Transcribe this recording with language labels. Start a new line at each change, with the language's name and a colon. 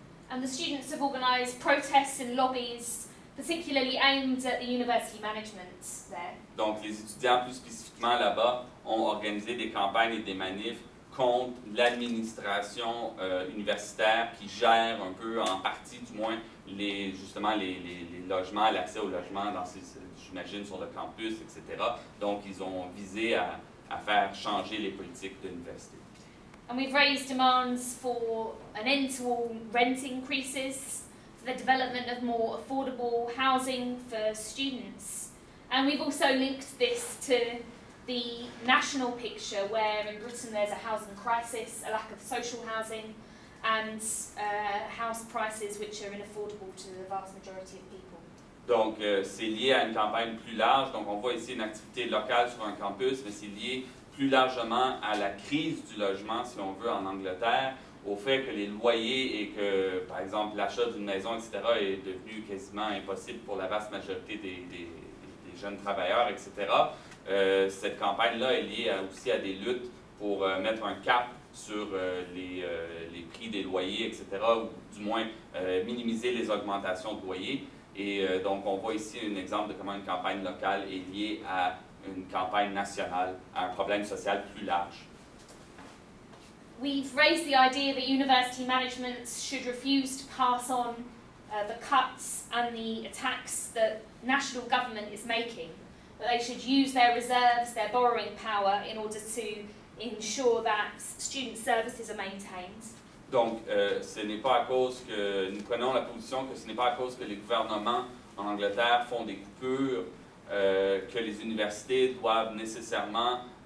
English: And the students have organized protests and lobbies particularly aimed at the university management there.
French: Donc, les étudiants plus spécifiquement là-bas ont organisé des campagnes et des manifs contre l'administration universitaire qui gère un peu, en partie du moins, les logements, l'accès aux logements, dans ces, j'imagine, sur le campus, etc. Donc, ils ont visé à faire changer les politiques de l'université.
English: And we've raised demands for an end to all rent increases, for the development of more affordable housing for students. And we've also linked this to the national picture where in Britain there's a housing crisis, a lack of social housing, and house prices which are unaffordable to the vast majority of people.
French: Donc, c'est lié à une campagne plus large. Donc, on voit ici une activité locale sur un campus, mais c'est lié plus largement à la crise du logement, si on veut, en Angleterre, au fait que les loyers et que, par exemple, l'achat d'une maison, etc., est devenu quasiment impossible pour la vaste majorité des jeunes travailleurs, etc. Cette campagne-là est liée aussi à des luttes pour mettre un cap sur les prix des loyers, etc., ou du moins minimiser les augmentations de loyers. Et donc, on voit ici un exemple de comment une campagne locale est liée à une campagne nationale, à un problème social plus large.
English: We've raised the idea that university management should refuse to pass on the cuts and the attacks that national government is making, that they should use their reserves, their borrowing power, in order to ensure that student services are maintained.
French: Donc, ce n'est pas à cause que, nous prenons la position que ce n'est pas à cause que les gouvernements en Angleterre font des coupures que les universités doivent nécessairement